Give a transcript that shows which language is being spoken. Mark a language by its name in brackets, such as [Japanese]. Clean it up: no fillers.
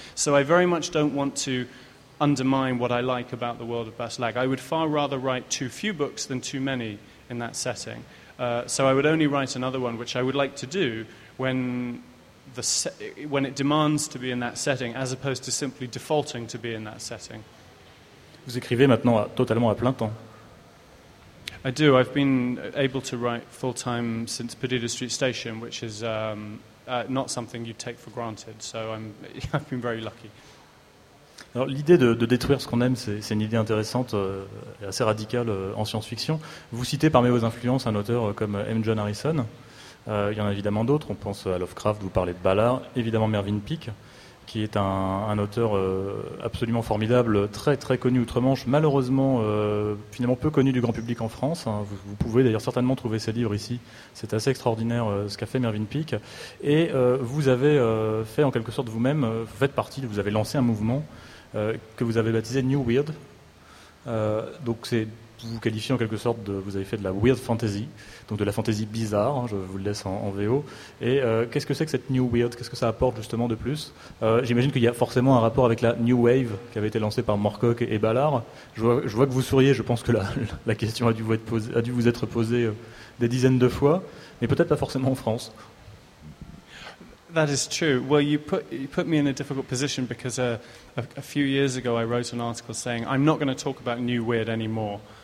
[English] So I very much don't want to undermine what I like about the world of Baslag. I would far rather write too few books than too many in that setting. So I would only write another one, which I would like to do when when it demands to be in that setting, as opposed to simply defaulting to be in that setting. [French] Vous écrivez maintenant totalement à plein temps. [English] I do. I've been able to write full-time since Perdida Street Station, which is not something you take for granted. So I've been very lucky. [French] Alors, l'idée de détruire ce qu'on aime, c'est une idée intéressante et assez radicale en science-fiction. Vous citez parmi vos influences un auteur comme M. John Harrison. Il y en a évidemment d'autres. On pense à Lovecraft, vous parlez de Ballard, évidemment Mervyn Peake, qui est un auteur absolument formidable, très très connu outre-Manche, malheureusement finalement peu connu du grand public en France. Hein. Vous pouvez d'ailleurs certainement trouver ses livres ici. C'est assez extraordinaire ce qu'a fait Mervyn Peake. Et vous avez fait en quelque sorte vous-même, vous faites partie, vous avez lancé un mouvement que vous avez baptisé New Weird. Donc c'est, vous vous qualifiez en quelque sorte de, vous avez fait de la weird fantasy, donc de la fantasy bizarre, hein, je vous le laisse en VO. Et qu'est-ce que c'est que cette New Weird? Qu'est-ce que ça apporte justement de plus? J'imagine qu'il y a forcément un rapport avec la New Wave qui avait été lancée par Moorcock et Ballard. Je vois que vous souriez, je pense que la question a dû vous être posée des dizaines de fois, mais peut-être pas forcément en France. [English] That is true. Well, you put me in a difficult position because a few years ago I wrote an article saying I'm not going to talk about New Weird anymore.